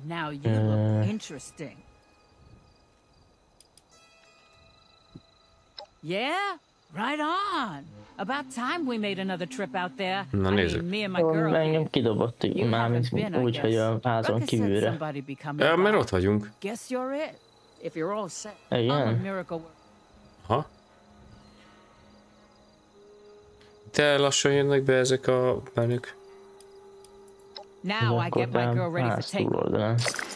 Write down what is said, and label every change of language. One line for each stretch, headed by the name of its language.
English: Now you look interesting. Yeah? Right on! About time we made another trip out there.
Hungarian: Na nézzük.
English: I mean, me and my girl.
Hungarian: Engem kidobott, mármint úgy, hogy a házon kívülre. Mert ott vagyunk.
English: Guess you're it. If you're all set, I'm a miracle worker. Ha?
Hungarian: De lassan jönnek be ezek a menük.
English: Now I get my girl ready for takeoff.